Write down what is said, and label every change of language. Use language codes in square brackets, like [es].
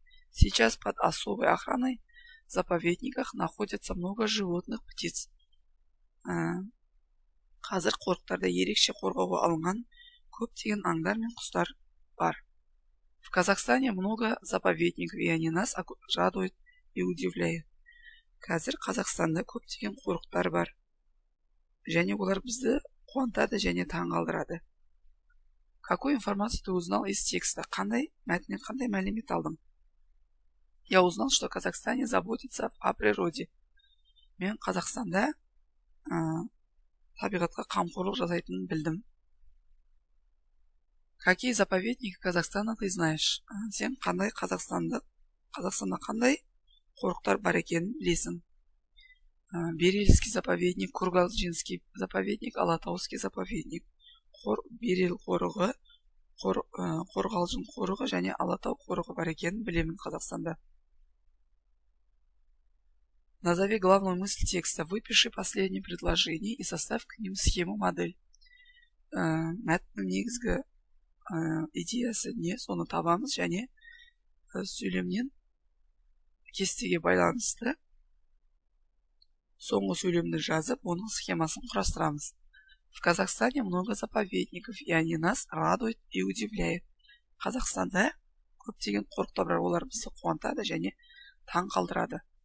[ru] Сейчас под особой охраной в заповедниках находятся много животных, птиц. [kk] Қазір қорықтарда ерекше қорғауға алынған көптеген аңдар мен құстар бар. [ru] В Казахстане много заповедников, и они нас радуют и удивляют. [kk] Қазір Қазақстанда көптеген қорықтар бар. Және олар бізді қуантады және таңғалдырады. [ru] Какую информацию ты узнал из текста? [kk] Қандай мәтіннен қандай мәлімет алдың? [ru] Я узнал, что в Казахстане заботится о природе. [kk] Мен Қазақстанда табиғатқа қамқорлық жасайтынын білдім. [ru] Какие заповедники Казахстана ты знаешь? [kk] Сен қандай Қазақстанда қандай қорықтар бар екенін білесің? [ru] Берилский заповедник, Кургалжинский заповедник, Алатауский заповедник, [kk] Берил қорығы, Кургалжин қорығы және Алатау қорығы бар екенін білемін Қазақстанда. [ru] Назови главную мысль текста, выпиши последние предложения и составь к ним схему модель. [kk] Мәтіннің негізгі идеясы не, соны табамыз және сөйлемнен кестеге байланысты. Соңғы сөйлемді жазып, оның схемасын құрастырамыз. [ru] В Казахстане много заповедников, и они нас радуют и удивляют. [kk] Қазақстанда көптеген қорықтар олар бізді қуантады және таң қалдырады.